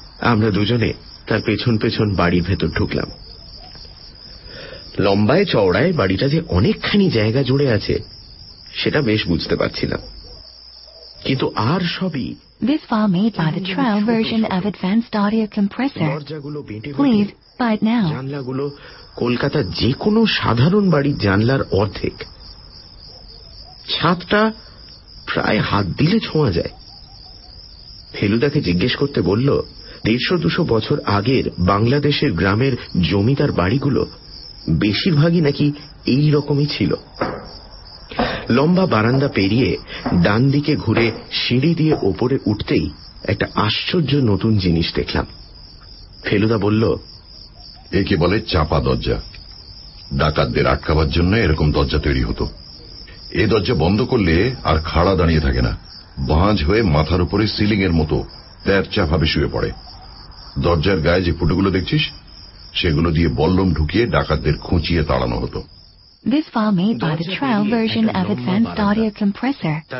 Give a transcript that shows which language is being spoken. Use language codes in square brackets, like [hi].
[bn] আমরা দুজনে তার পেছন পেছন বাড়ির ভেতর ঢুকলাম। লম্বায় চওড়ায় বাড়িটা যে অনেকখানি জায়গা জুড়ে আছে সেটা বেশ বুঝতে পারছিলাম, কিন্তু আর সবই [en] This farm made by the trial version of advanced audio compressor. Please, buy it now. [bn] জানলাগুলো কলকাতা যে কোনো সাধারণ বাড়ির জানলার অর্ধেক। ছাদটা প্রায় হাত দিলে ছোঁয়া যায়। ফেলুদাকে জিজ্ঞেস করতে বলল, 150-200 বছর আগের বাংলাদেশের গ্রামের জমিদার বাড়িগুলো বেশিরভাগই নাকি এই রকমই ছিল। লম্বা বারান্দা পেরিয়ে ডান দিকে ঘুরে সিঁড়ি দিয়ে ওপরে উঠতেই একটা আশ্চর্য নতুন জিনিস দেখলাম। ফেলুদা বলল, একে বলে চাপা দরজা, ডাকাতদের আটকাবার জন্য এরকম দরজা তৈরি হতো। এ দরজা বন্ধ করলে আর খাড়া দাঁড়িয়ে থাকে না, বাঁজ হয়ে মাথার উপরে সিলিং এর মতো তেরচাভাবে শুয়ে পড়ে। দরজার গায়ে যে ফুটোগুলো দেখছিস সেগুলো দিয়ে বল্লম ঢুকিয়ে ডাকাতদের খুঁচিয়ে তাড়ানো হতো। [en] This farm made by the trial version of advanced audio compressor.